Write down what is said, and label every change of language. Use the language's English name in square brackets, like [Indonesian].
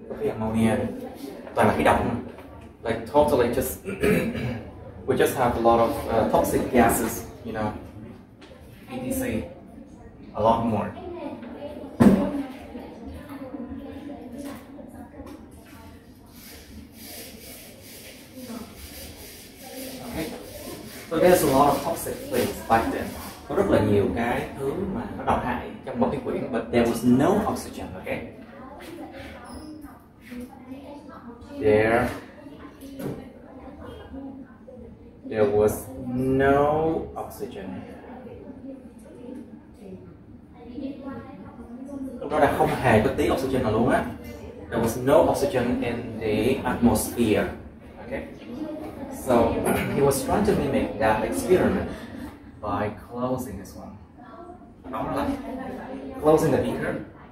[English] Ammonia, [Vietnamese] toàn là khí độc, [English] like totally just we just have a lot of toxic gases, you know, etc. A lot more. Okay, so there's a lot of toxic things back then. [Vietnamese] Có rất là nhiều cái thứ mà nó độc hại trong một cái quyển, [English] but there was no oxygen, okay. There was no oxygen. [Vietnamese] Lúc đó là không hề có tí oxygen nào luôn á. [English] There was no oxygen in the atmosphere. Okay. So he was trying to mimic that experiment by closing this one. Closing the beaker.